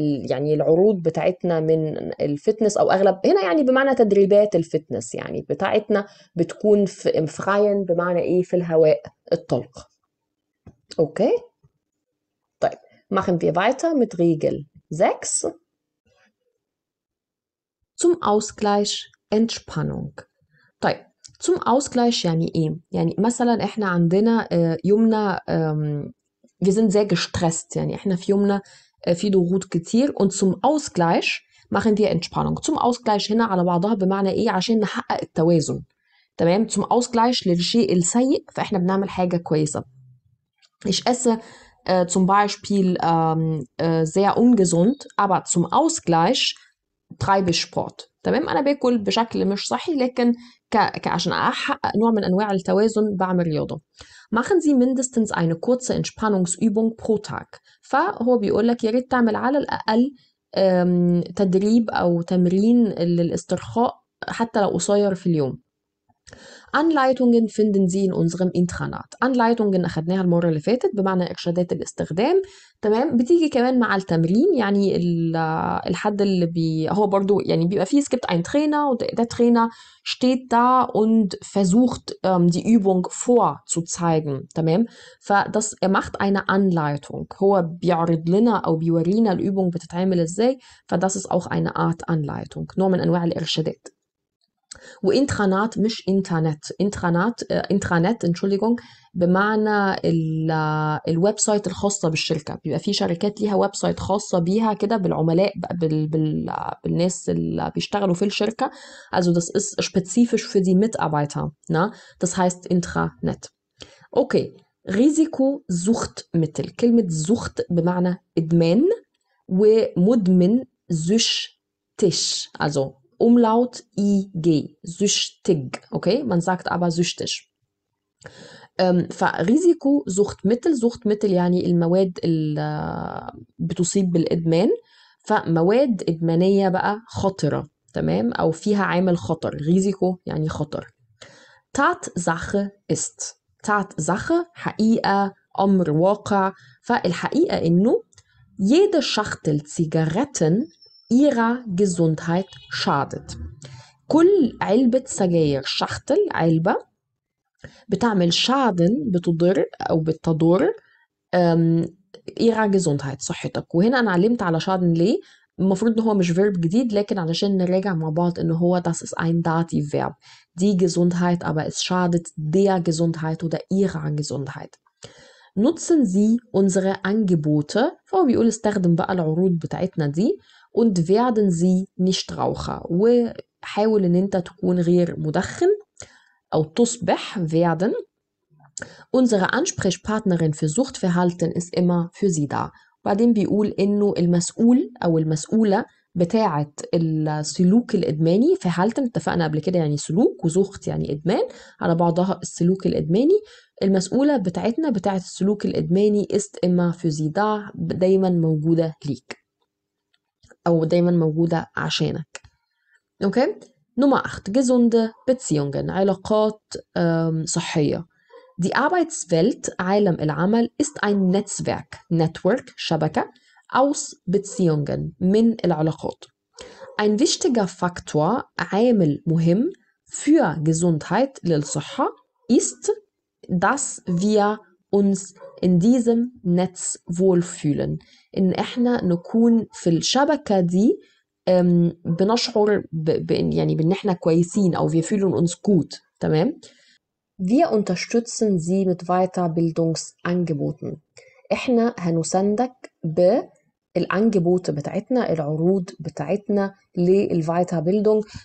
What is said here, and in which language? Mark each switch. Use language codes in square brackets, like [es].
[ar] يعني العروض بتاعتنا من الفتنس او اغلب هنا يعني بمعنى تدريبات الفتنس يعني بتاعتنا بتكون في im Freien بمعنى ايه في الهواء الطلق اوكي [de] Machen wir weiter mit Regel 6. Zum Ausgleich Entspannung. [ar] طيب, zum Ausgleich يعني ايه? يعني مثلا احنا عندنا يومنا, [de] wir sind sehr gestresst. [ar] يعني احنا في يومنا في ضغوط كتير. [de] Und zum Ausgleich machen wir Entspannung. [ar] Zum Ausgleich هنا على بعضها بمعنى ايه? عشان نحقق التوازن. تمام? Zum Ausgleich للشيء السيء فاحنا بنعمل حاجة كويسة. [de] Ich esse zum Beispiel sehr ungesund, aber zum Ausgleich treibe ich Sport. [ar] تمام؟ أنا بأكل بشكل مش صحي لكن عشان أحقق نوع من أنواع التوازن بعمل رياضة. [de] Machen Sie mindestens eine kurze Entspannungsübung pro Tag. [ar] فهو بيقول لك ياريت تعمل على الأقل تدريب أو تمرين للاسترخاء حتى لو قصير في اليوم. [de] Anleitungen finden Sie in unserem Intranet. [ar] Anleitungen أخذناها المرة اللي فاتت بمعنى إرشادات الاستخدام. تمام؟ بتيجي كمان مع التمرين يعني الحد اللي هو برضو يعني بيبقى فيه skipped [de] ein Trainer und der Trainer steht da und versucht die Übung vorzuzeigen. تمام؟ فدس macht eine Anleitung. [ar] هو بيعرض لنا أو بيورينا الأبوغ بتتعامل إزاي. [de] فدس ist auch eine Art Anleitung. [ar] نوع من أنواع الإرشادات. وإنترانات مش إنترنت إنترانات إنترنت إنترنت بمعنى الويب سايت الخاصة بالشركة بيبقى في شركات ليها ويب سايت خاصة بيها كده بالعملاء بالناس اللي بيشتغلوا في الشركة [de] also das ist spezifisch für die Mitarbeiter na? das heißt إنترنت okay Risiko Suchtmittel كلمة Sucht [ar] بمعنى إدمان ومدمن [de] süchtig also Umlaut IG, süchtig, okay? Man sagt aber süchtig. [ar] Risiko Suchtmittel, Suchtmittel يعني المواد بتصيب بالإدمان. فمواد إدمانية بقى خطرة, تمام؟ أو فيها عامل خطر, Risiko يعني خطر. [de] Tatsache ist, Tatsache, حقيقة, أمر واقع. [ar] فالحقيقة إنه [de] jede Schachtel Zigaretten ihrer Gesundheit schadet. [ar] كل علبة سجاير شختل علبة بتعمل شادن بتضر أو بتضر ihrer Gesundheit صحتك. وهنا أنا علمت على شادن ليه المفروض إن هو مش verb جديد لكن علشان نراجع مع بعض إن هو [de] das ist ein dativ verb. Die Gesundheit aber es schadet der Gesundheit oder ihrer Gesundheit. Nutzen Sie unsere Angebote [ar] فهو بيقول استخدم بقى العروض بتاعتنا دي [de] Und werden Sie nicht Raucher. [ar] وحاول ان انت تكون غير مدخن. أو تصبح werden. [de] Unsere Ansprechpartnerin für Suchtverhalten ist immer für Sie da. [ar] بعدين بيقول انه المسؤول أو المسؤولة بتاعة السلوك الإدماني. Verhalten اتفقنا قبل كده يعني سلوك وسucht يعني إدمان. على بعضها السلوك الإدماني. المسؤولة بتاعتنا بتاعت السلوك الإدماني [de] ist immer für sie da, [ar] دايما موجودة ليك أو دايما موجودة عشانك. [de] أوكي؟ Nummer 8. Gesunde Beziehungen. علاقات صحية. Die Arbeitswelt, [ar] عالم العمل, [de] ist ein Netzwerk, Network, شبكة, aus Beziehungen, [ar] من العلاقات. [de] Ein wichtiger Faktor, [ar] عامل مهم, [de] für Gesundheit, للصحة, ist, dass wir uns in diesem Netz wohlfühlen. [ar] In احنا نكون في الشبكة دي بنشعر بان يعني بان احنا كويسين او [de] wir fühlen uns gut, [ar] تمام؟ [de] Wir unterstützen Sie mit Weiterbildungsangeboten. [ar] احنا هنساندك بالانجبوت بتاعتنا, العروض بتاعتنا للweiterbildung.